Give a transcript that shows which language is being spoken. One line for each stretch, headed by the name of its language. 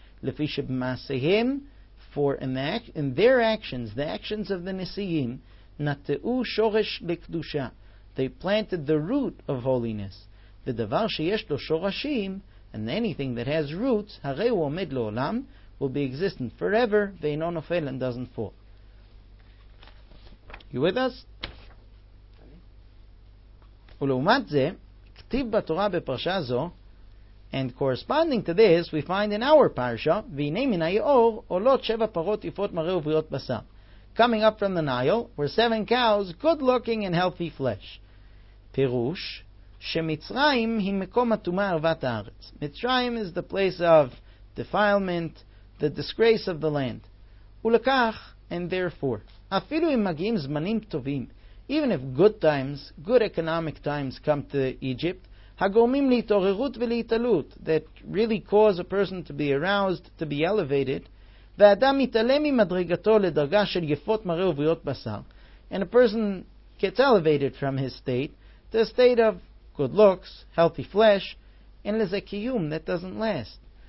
English: Lefishib Masehim, for in their actions, the actions of the Nesiim, Nateu Shoresh Lekdusha, they planted the root of holiness. The Davar Sheyeshlo Shoreshim, and anything that has roots, Hareu Omed Lo'olam, will be existent forever, Veino Nofel, and doesn't fall. You with us?
Hebrew: ולעומת זה, כתיב בתורה בפרשה זו,
English: and corresponding to this, we find in our parsha,
Hebrew: והנה מן היאור, עולות שבע פרות יפות מראה ובריאות בשר.
English: Coming up from the Nile, were seven cows, good-looking and healthy flesh.
Hebrew: פירוש, שמצרים היא מקום הטומאה ערוות הארץ.
English: Mitzrayim is the place of defilement, the disgrace of the land.
Hebrew: ולכך,
English: and therefore,
Hebrew: אפילו אם מגיעים זמנים טובים,
English: even if good times, good economic times come to Egypt,
Hebrew: הגורמים להתעוררות ולהתעלות,
English: that really cause a person to be aroused, to be elevated,
Hebrew: והאדם מתעלם ממדרגתו לדרגה של יפות מראה ובריאות בשר,
English: and a person gets elevated from his state to a state of good looks, healthy flesh, and
Hebrew: לזה קיום
English: that doesn't last.